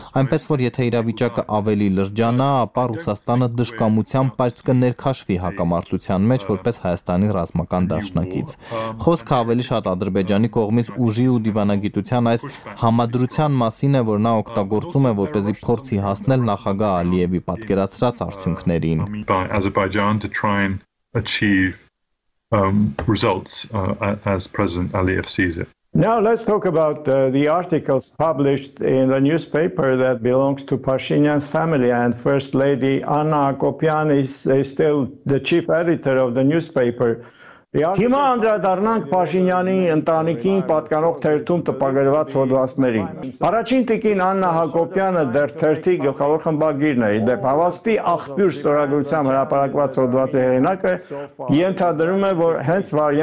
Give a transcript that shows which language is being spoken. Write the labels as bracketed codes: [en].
[hy] Այնպես որ եթե իրավիճակը ավելի լրջան նա ապա Ռուսաստանը դժկամությամբ պարզ կներքաշվի հակամարտության մեջ որպես Հայաստանի ռազմական դաշնակից։ Խոսքը ավելի շատ Ադրբեջանի կողմից ուժի ու դիվանագիտության այս համադրության մասին է, որ նա օգտագործում է, որպեսզի փորձի հասնել նախագահ Ալիևի պատկերացրած արդյունքներին։ [en] Azerbaijan to try and achieve results as President Aliyev sees it. Now let's talk about the articles published in the newspaper that belongs to Pashinyan's family, and First Lady Anna Akopyan is still the chief editor of the newspaper. [hy] Հիմա անդրադառնանք Փաշինյանի ընտանիքին պատկանող թերթում տպագրված հոդվածներին։ Առաջին տիկին Աննա Հակոբյանը դեռ թերթի գլխավոր խմբագիրն է, իդեպ հավաստի աղբյուր ստորագրությամբ հրապարակված հոդվածի հեղինակը ենթադրում է, որ հենց